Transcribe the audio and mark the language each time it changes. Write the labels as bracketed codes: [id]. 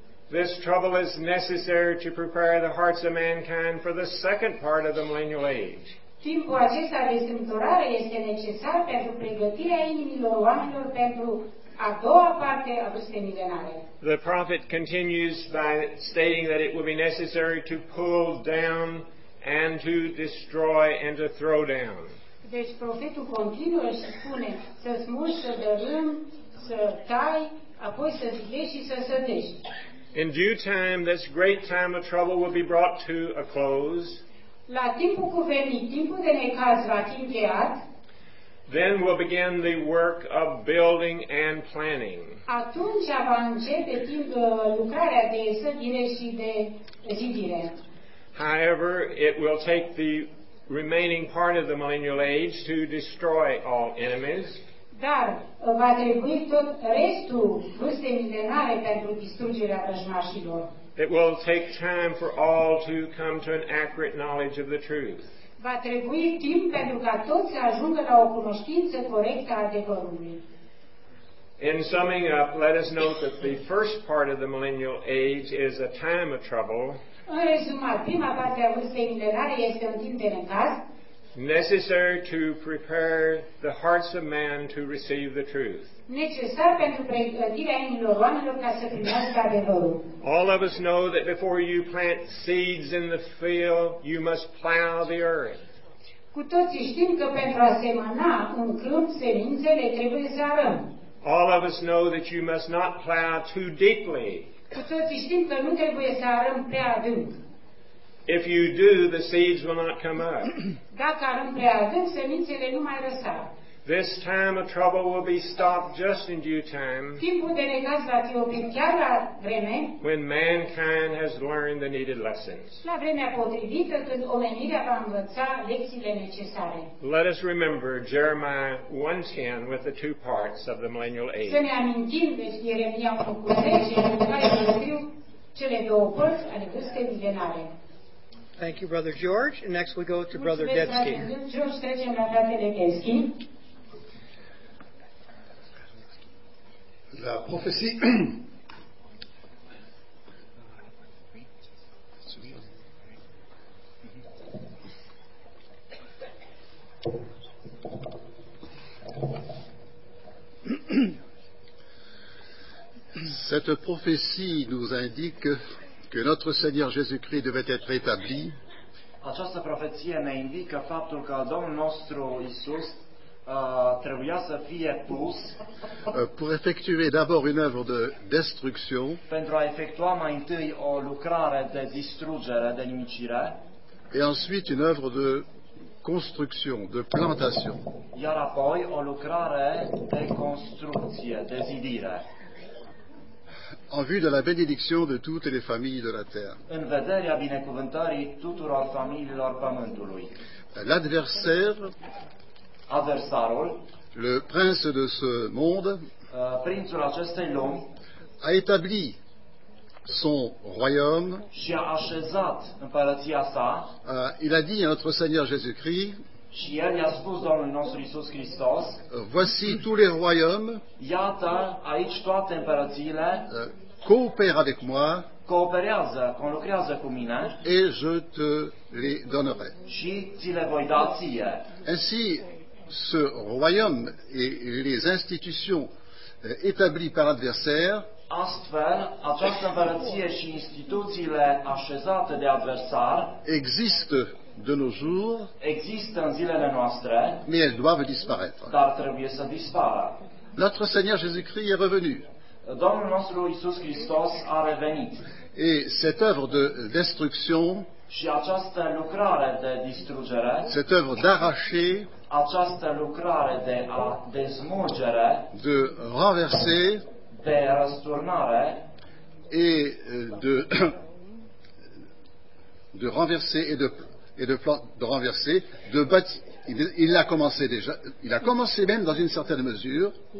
[en] This trouble is necessary to prepare the hearts of mankind for the second part of the millennial age. [ro] Timpul acesta de strâmtorare este necesar pentru pregătirea inimilor oamenilor pentru a doua parte a vârstei milenare. [en] The prophet continues by stating that it will be necessary to pull down and to destroy and to throw down. [ro] Deci profetul continuă și spune să smulgi, să dărâm, să tai, apoi să zidești și să sădești. [en] In due time, this great time of trouble will be brought to a close. [ro] La timpul cuvenit, timpul de necaz va fi încheiat. [en] Then will begin the work of building and planning. [ro] Atunci va începe lucrarea de sădire și de zidire. [en] However, it will take the remaining part of the millennial age to destroy all enemies. [ro] Dar va trebui tot restul vârstei milenare pentru distrugerea vrăjmașilor. [en] It will take time for all to come to an accurate knowledge of the truth. [ro] Va trebui timp pentru ca toți să ajungă la o cunoștință corectă a adevărului. [en] In summing up, let us note that the first part of the millennial age is a time of trouble. [ro] În rezumat, prima parte a vârstei milenare este un timp de necaz. [en] Necessary to prepare the hearts of man to receive the truth. [ro] Necesar pentru pregătirea inimilor oamenilor ca să primească adevărul. [en] All of us know that before you plant seeds in the field, you must plow the earth. [ro] Cu toții știm că pentru a semăna un câmp, semințele trebuie să arăm. [en] All of us know that you must not plow too deeply. [ro] Cu toții știm că nu trebuie să arăm prea adânc. [en] If you do, the seeds will not come up. [ro] Dacă arăm prea adânc, semințele nu mai răsar. [en] This time of trouble will be stopped just in due time. [ro] Timpul de necaz va fi oprit chiar la vreme. [en] When mankind has learned the needed lessons. [ro] La vremea potrivită, când omenirea va învăța lecțiile necesare. [en] Let us remember Jeremiah 1:10 with the two parts of the millennial age. [ro] Să ne amintim de Ieremia 1:10 în care descriu cele două părți ale vârstei milenare. [en] Thank you, Brother George. And next we go to Brother Detsky. [ro] George, trecem la fratele Detsky. La profeții [fr] cette prophétie nous indique que notre Seigneur Jésus-Christ devait être établi. [ro] Această profeție ne indică faptul că Domnul nostru Isus trebuia să fie pus [fr] pour effectuer d'abord une œuvre de destruction, [ro] pentru a efectua mai întâi o lucrare de distrugere, de nimicire, [fr] et ensuite une œuvre de construction, de plantation. [ro] Iar apoi o lucrare de construcție, de zidire. [fr] En vue de la bénédiction de toutes les familles de la terre. [ro] În vederea binecuvântării tuturor familiilor pământului. [fr] L'adversaire, [ro] adversarul, [fr] le prince de ce monde, [ro] prințul acestei lumi, [fr] a établi son royaume, [ro] și a așezat împărăția sa, [fr] il a dit à notre Seigneur Jésus-Christ, [ro] și el i-a spus Domnul nostru Iisus Hristos, [fr] voici tous les royaumes, [ro] iată aici toate împărățiile, [fr] coopère avec moi, [ro] cooperează, conlucrează cu mine, [fr] et je te les donnerai, [ro] și ți le voi da ție. [fr] Ainsi, ce royaume et les institutions établies par l'adversaire, [ro] astfel, această împărăție și instituțiile așezate de adversar există [fr] de nos jours, [ro] există în zilele noastre, [fr] mais elles doivent disparaître. [ro] Dar trebuie să dispară. [fr] Notre Seigneur Jésus-Christ est revenu. [ro] Domnul nostru Iisus Hristos a revenit. [fr] Et cette œuvre de destruction, [ro] și această lucrare de distrugere, [fr] cette œuvre d'arracher, [ro] această lucrare de a dezmulgere, [fr] de renverser, [ro] de răsturnare, [fr] et de renverser et de renverser, de bâtir, il a commencé déjà, il a commencé même dans une certaine mesure,